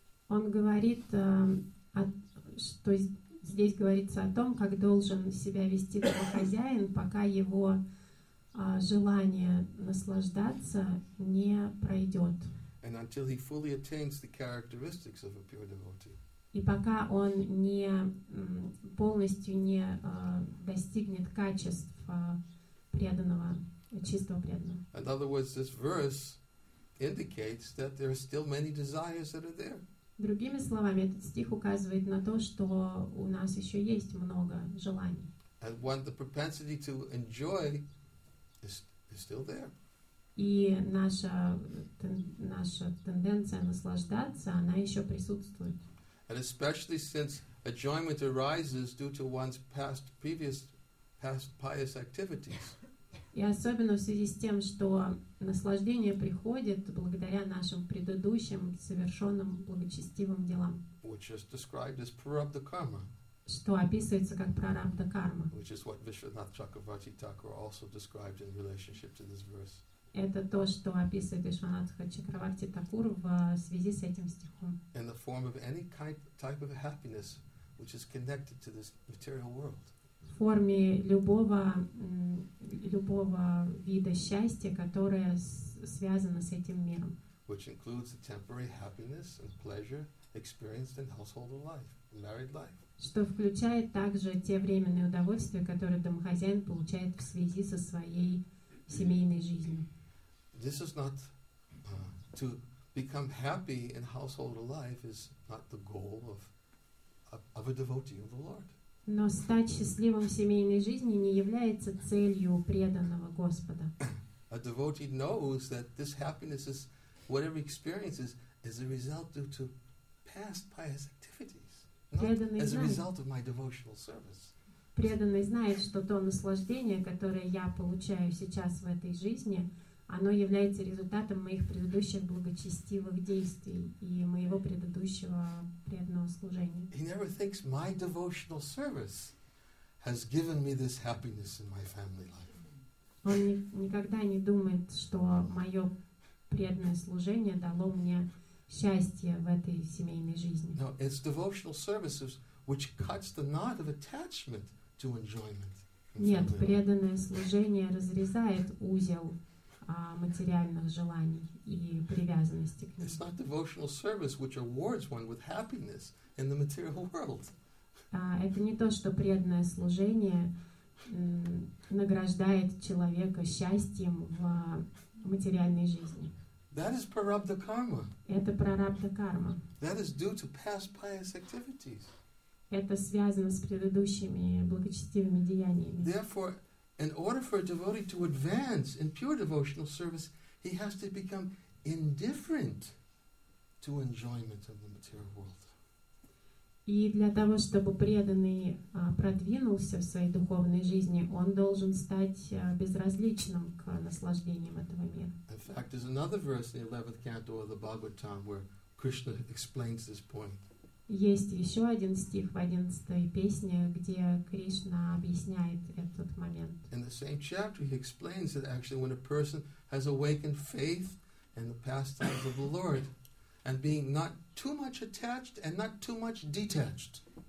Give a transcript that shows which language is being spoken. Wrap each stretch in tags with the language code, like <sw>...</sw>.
<ru>Он говорит, что здесь говорится о том, как должен себя вести такой хозяин, пока его желание наслаждаться не пройдет.</ru> <en>And until he fully attains the characteristics of a pure devotee.</en> <ru>И пока он не полностью не достигнет качеств преданного, чистого преданного.</ru> <en>In other words, this verse indicates that there are still many desires that are there.</en> <ru>Другими словами, этот стих указывает на то, что у нас еще есть много желаний.</ru> <en>And when the propensity to enjoy is still there.</en> <ru>И наша тенденция наслаждаться, она еще присутствует.</ru> <en>And especially since enjoyment arises due to one's past pious activities.</en> <ru>И особенно в связи с тем, что наслаждение приходит благодаря нашим предыдущим совершенным благочестивым делам.</ru> <en>Which is described as prarabdha karma.</en> <ru>Что описывается как прарабдха карма.</ru> <en>Which is what Vishwanath Chakravarti Thakur also described in relationship to this verse.</en> <ru>Это то, что описывает Вишванатха Чакраварти Такур в связи с этим стихом.</ru> <en>In the form of any type of happiness which is connected to this material world.</en> <ru>В форме любого вида счастья, которое связано с этим миром.</ru> <en>Which includes the temporary happiness and pleasure experienced in household life, married life.</en> <ru>Что включает также те временные удовольствия, которые домохозяин получает в связи со своей семейной жизнью.</ru> <en>This is not to become happy in household life is not the goal of a devotee of the Lord.</en> <ru>Но стать счастливым в семейной жизни не является целью преданного Господа.</ru> <en>A devotee knows that this happiness is whatever experiences is a result due to past pious activities, not as a result of my devotional service.</en> <ru>Преданный знает, что то наслаждение, которое я получаю сейчас в этой жизни, оно является результатом моих предыдущих благочестивых действий и моего предыдущего преданного служения.</ru> <en>He never thinks my devotional service has given me this happiness in my family life.</en> <ru>Он никогда не думает, что мое преданное служение дало мне счастье в этой семейной жизни.</ru> <en>No, it's devotional services which cuts the knot of attachment to enjoyment.</en> <ru>Нет, преданное служение разрезает узел материальных желаний и привязанности к ним.</ru> <en>It's not devotional service which awards one with happiness in the material world.</en> <ru>Это не то, что преданное служение награждает человека счастьем в материальной жизни.</ru> <en>That is prarabdha karma.</en> <ru>Это прарабдха карма.</ru> <en>That is due to past pious activities.</en> <ru>Это связано с предыдущими благочестивыми деяниями.</ru> <en>Therefore, in order for a devotee to advance in pure devotional service, he has to become indifferent to enjoyment of the material world.</en> <ru>И для того, чтобы преданный продвинулся в своей духовной жизни, он должен стать безразличным к наслаждениям этого мира.</ru> <en>In fact, there's another verse in the 11th canto of the Bhagavatam where Krishna explains this point.</en> <ru>Есть еще один стих в 11-й песне, где Кришна объясняет этот момент.</ru> <en>In the same chapter he explains that actually when a person has awakened faith in the pastimes of the Lord and being not too much attached and not too much detached.</en>